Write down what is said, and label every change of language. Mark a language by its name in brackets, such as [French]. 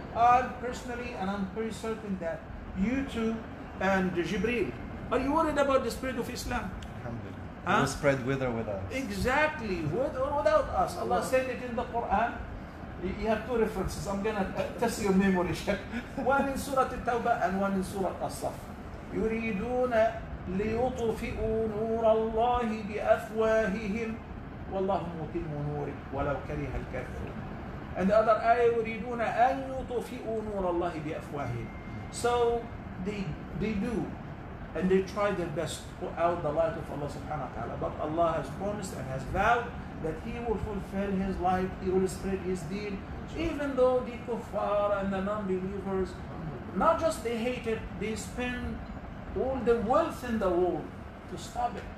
[English] I personally, and I'm pretty certain that you too, and Jibreel, are you worried about the spread of Islam? Alhamdulillah. Huh? We'll spread with or without. Exactly, with or without us. Allah said it in the Quran. You have two references. I'm going to test your memory. One in Surah Al-Tawbah and one in Surah Al-Saf. [Arabic] يريدون ليطفئوا نور الله بأفواههم والله مُتِمُّ نوره ولو كره الكافرون. [English] And the other ayah, [Arabic] يريدون أن يطفئوا نور الله بأفواههم. [English] So they do, and they try their best to put out the light of Allah subhanahu wa ta'ala. But Allah has promised and has vowed that He will fulfill His life, He will spread His deen, even though the kuffar and the non-believers, not just they hate it, they spend all the wealth in the world to stop it.